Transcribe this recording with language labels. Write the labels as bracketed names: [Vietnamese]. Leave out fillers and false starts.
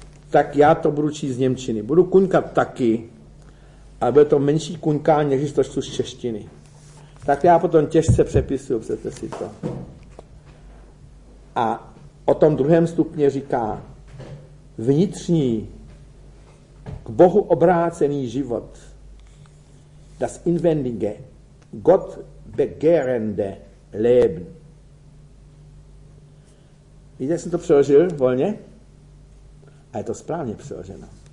[Czech] Tak já to budu číst z němčiny. Budu kuňkat taky, ale bude to menší kuňka, než to čtu z češtiny. Tak já potom těžce přepisuju, přece si to. A o tom druhém stupně říká vnitřní k Bohu obrácený život. [German] Das inwendige Gott begehrende Leben. [Czech] Víte, jak jsem to přeložil volně? A je to správně přeloženo.